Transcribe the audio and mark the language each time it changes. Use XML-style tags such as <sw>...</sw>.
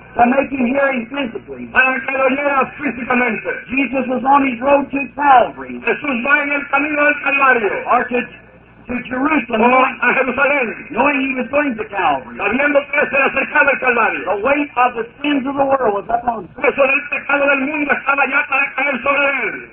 <en>To make him hear him physically.</en> <es>Para que lo oyera físicamente.</es> <en>Jesus was on his road to Calvary.</en> <es>Jesús va en el camino del Calvario.</es> <en>To Jerusalem,</en> <es>a Jerusalén,</es> <en>knowing he was going to Calvary,</en> <es>sabiendo que se acercaba al Calvario,</es> <en>the weight of the sins of the world was upon him.</en> <es>Peso del pecado del mundo estaba ya para caer sobre él.</es>